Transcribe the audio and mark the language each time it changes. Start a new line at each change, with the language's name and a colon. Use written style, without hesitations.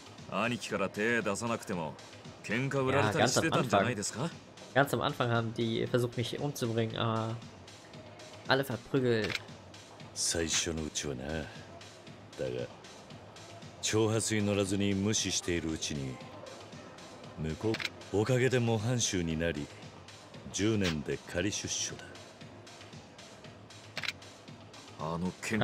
Japanese: 兄貴から手出さなくても喧嘩売られたりしてたんじゃないですか。
German: ganz am Anfang haben die versucht mich umzubringen, aber alle verprügelt.
Japanese: 最初のうちはな。だが挑発に乗らずに無視しているうちに向こうおかげで模範囚になり10年で仮出所だ。あの喧嘩